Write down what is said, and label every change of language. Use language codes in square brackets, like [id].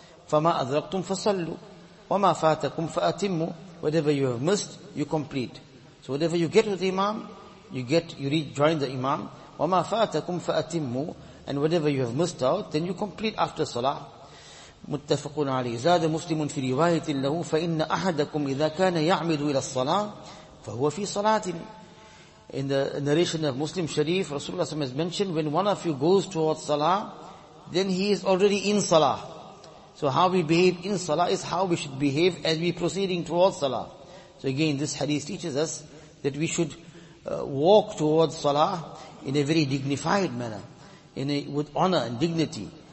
[ar] فَمَا أَذْرَقْتُمْ فَصَلُّوا وَمَا فَاتَكُمْ فَأَتِمُّوا. [en] Whatever you have missed, you complete. So whatever you get with the imam, you rejoin the imam. [ar] وَمَا فَاتَكُمْ فَأَتِمُّوا. [en] And whatever you have missed out, then you complete after salat. [ar] متفق عليه. زاد مسلم في رواية له فإن أحدكم إذا كان يعمد إلى الصلاة فهو في صلاة. [en] In the narration of Muslim Sharif, Rasulullah has mentioned, when one of you goes towards salah, then he is already in salah. So how we behave in salah is how we should behave as we proceeding towards salah. So again, this hadith teaches us that we should walk towards salah in a very dignified manner, with honor and dignity.